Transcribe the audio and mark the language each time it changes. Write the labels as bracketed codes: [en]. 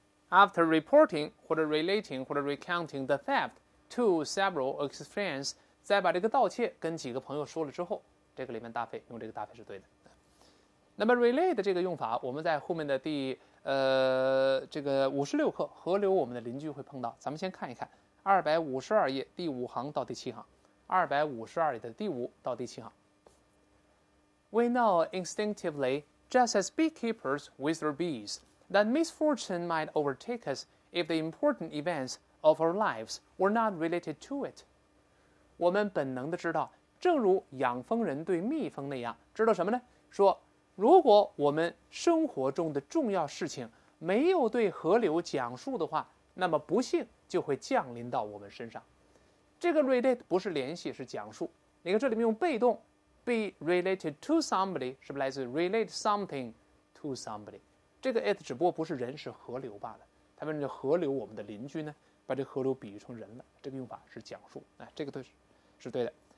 [zh] After reporting 或者 relating 或者 recounting the theft to several ex-friends，在把这个盗窃跟几个朋友说了之后，这个里面搭配用这个搭配是对的。那么 relate 的这个用法我们在后面的第这个56课河流我们的邻居会碰到，咱们先看一看252页第5行到第7行，252页的第5到第7行。 [en] We know instinctivelyJust as beekeepers with their bees, that misfortune might overtake us if the important events of our lives were not related to it. [zh] 我们本能地知道，正如养蜂人对蜜蜂那样，知道什么呢？说，如果我们生活中的重要事情没有对河流讲述的话，那么不幸就会降临到我们身上。这个 relate 不是联系，是讲述。你看这里面用被动 be related to somebody，是不是来自 relate something to somebody，这个 it 只不过不是人是河流罢了，他们叫河流我们的邻居呢，把这河流比喻成人了，这个用法是讲述、啊、这个都 是对的。